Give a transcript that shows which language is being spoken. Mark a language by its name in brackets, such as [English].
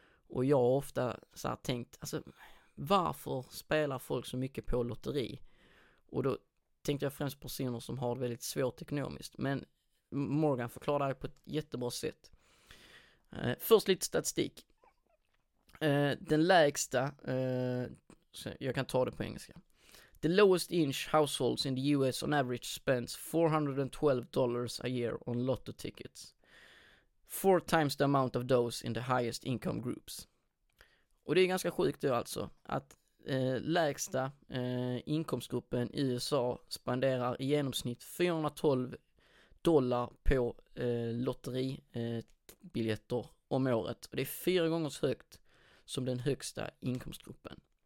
[Swedish] Och jag har ofta så här tänkt, alltså varför spelar folk så mycket på lotteri? Och då tänkte jag främst på personer som har det väldigt svårt ekonomiskt. Men Morgan förklarar det på ett jättebra sätt. Först lite statistik. Den lägsta, jag kan ta det på engelska. [English] The lowest inch households in the US on average spends $412 a year on lotto tickets. 4 times the amount of those in the highest income groups. [Swedish] Och det är ganska sjukt då alltså att lägsta inkomstgruppen i USA spenderar i genomsnitt 412 dollar på lotteribiljetter om året. Och det är 4 gånger så högt som den högsta inkomstgruppen.